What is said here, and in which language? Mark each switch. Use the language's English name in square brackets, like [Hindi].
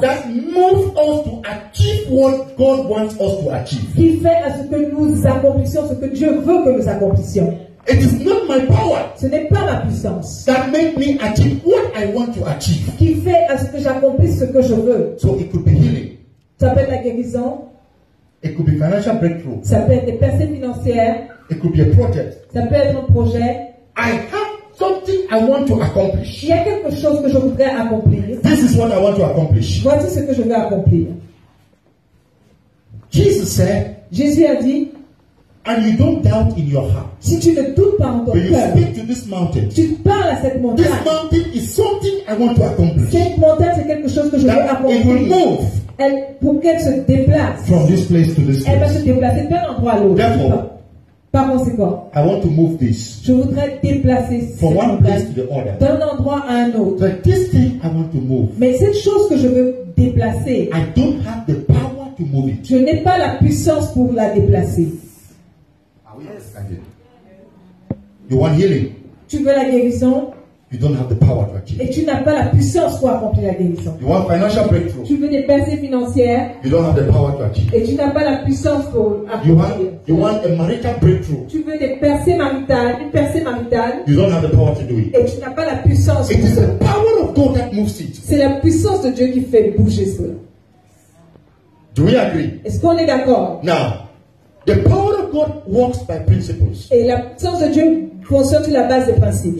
[English] That moves us to achieve what God wants us to achieve. [French] Qui fait à ce que nous accomplissions ce que Dieu veut que nous accomplissions. [English] It is not my power. [French] Ce n'est pas ma puissance. [English] That makes me achieve what I want to achieve. [French] Qui fait à ce que j'accomplisse ce que je veux. [English] So it could be healing. [French] Ça peut être la guérison. [English] It could be financial breakthrough. [French] Ça peut être des percées financières. [English] It could be a project. [French] Ça peut être un projet. [English] I have something I want to accomplish. [French] Il y a quelque chose que je voudrais accomplir. [English] This is what I want to accomplish. [French] Voici ce que je veux accomplir. [English] Jesus said. [French] Jésus a dit. [English] And you don't doubt in your heart. [French] Si tu ne doutes pas en ton cœur. [English] But you speak to this mountain. [French] Tu parles à cette montagne. [English] This mountain is something I want to accomplish. [French] Cette montagne c'est quelque chose que je veux accomplir. [English] It will move. [French] Elle pour qu'elle se déplace. [English] From this place to this place. [French] Elle va se déplacer d'un endroit à l'autre. [English] Therefore. [French] Par conséquent, [English] I want to move this. [French] Je voudrais déplacer [English] from one place to the other. [French] D'un endroit à un autre. [English] But this thing I want to move. [French] Mais cette chose que je veux déplacer. [English] I don't have the power to move it. [French] Je n'ai pas la puissance pour la déplacer. [English] You want healing. [French] Tu veux la guérison. [English] You don't have the power to achieve. [French] Et tu n'as pas la puissance pour accomplir la guérison. [English] You want financial breakthrough. [French] Tu veux des percées financières. [English] You don't have the power to achieve. [French] Et tu n'as pas la puissance pour accomplir. [English] You want a marital breakthrough. [French] Tu veux des percées maritales, une percée maritale. [English] You don't have the power to do it. [French] Et tu n'as pas la puissance. [English] It is the power of God that moves it. [French] C'est la puissance de Dieu qui fait bouger cela. [English] Do we agree? [French] Est-ce qu'on est d'accord? [English] Now, the power of God works by principles. [French] Et la puissance de Dieu concerne la base des principes.